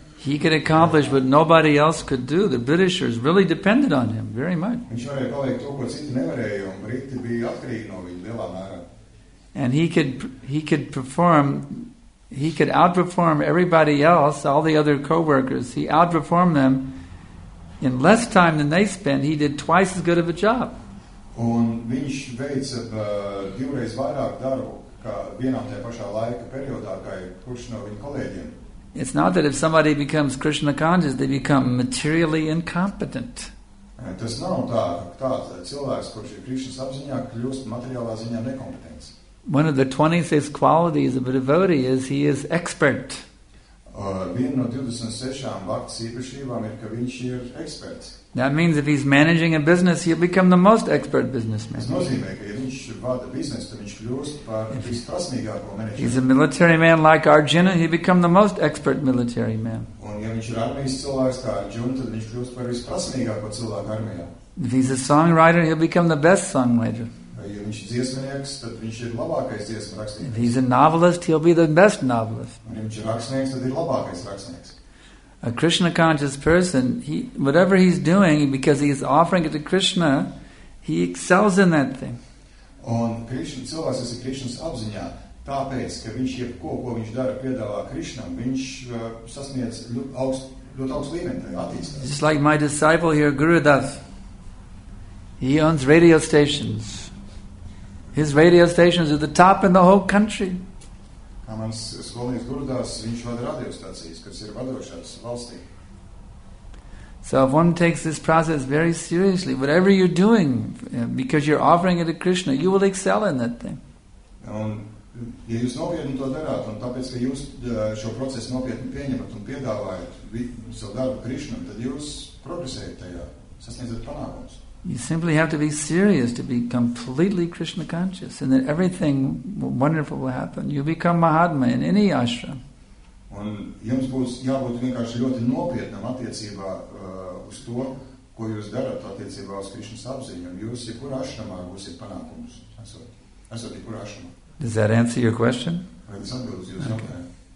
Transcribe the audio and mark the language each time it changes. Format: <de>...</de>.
<en>He could accomplish what nobody else could do. The Britishers really depended on him very much.</en> <lv>Viņš varēja paliek to, ko citi nevarēja, un Briti bija atkarīgi no viņa lielā mērā.</lv> <en>And he could outperform everybody else, all the other co-workers. He outperformed them in less time than they spent. He did twice as good of a job.</en> <lv>Un viņš veica divreiz vairāk darbu, kā vienā tajā pašā laika periodā, kā kurš no viņa kolēģiem.</lv> <en>It's not that if somebody becomes Krishna conscious, they become materially incompetent.</en> <lv>Tas nav tā, ka cilvēks, kurš ir Krišnas apziņā, kļūst materiālā ziņā nekompetents.</lv> <en>One of the 26 qualities of a devotee is he is expert.</en> <lv>Viena no 26 bhakti īpašībām ir, ka viņš ir eksperts.</lv> <en>That means if he's managing a business, he'll become the most expert businessman.</en> <lv>Tas nozīmē, ka ja viņš vada biznesu, tad viņš kļūst par visprasmīgāko menedžeru.</lv> <en>He's a military man like Arjuna, he'll become the most expert military man.</en> <lv>Un ja viņš ir armijas cilvēks kā Arjuna, tad viņš kļūst par visprasmīgāko cilvēku armijā.</lv> <en>If he's a songwriter, he'll become the best songwriter.</en> <lv>Ja viņš ir dziesmnieks, tad viņš ir labākais dziesmu rakstnieks.</lv> <en>If he's a novelist, he'll be the best novelist.</en> <lv>Un, ja viņš ir rakstnieks, tad ir labākais rakstnieks.</lv> <en>A Krishna conscious person, whatever he's doing, because he is offering it to Krishna, he excels in that thing.</en> <lv>Un Krishna cilvēks, kas ir Krishnas apziņā, tāpēc, ka viņš jebko, ko viņš dara, piedāvā Krishnam, viņš sasniedz ļoti augstu līmeni tajā attīstībā.</lv> <en>Just like my disciple here, Gurudas, he owns radio stations. His radio stations are the top in the whole country.</en> <lv>Kā mans skolnieks Gurudas, viņš vada radio stācijas, kas ir vadošās valstī.</lv> <en>So if one takes this process very seriously, whatever you're doing, because you're offering it to Krishna, you will excel in that thing.</en> <lv>Un, ja jūs nopietni to darāt, un tāpēc, ka jūs šo procesu nopietni pieņemat un piedāvājat savu darbu Krishna, tad jūs progresējat tajā, sasniedzat panākumus.</lv> <en>You simply have to be serious to be completely Krishna conscious, and then everything wonderful will happen. You become Mahatma in any ashram.</en> <lv>Un jums būs jābūt vienkārši ļoti nopietnam attiecībā uz to, ko ko jūs darat attiecībā uz Krišnas apziņām, jūs ir kurā ašramā būsiet panākumus? Esat ir kurā ašramā?</lv> <en>Does that answer your question?</en> <lv>Vai tas atbildes jūs jautājumu?</lv>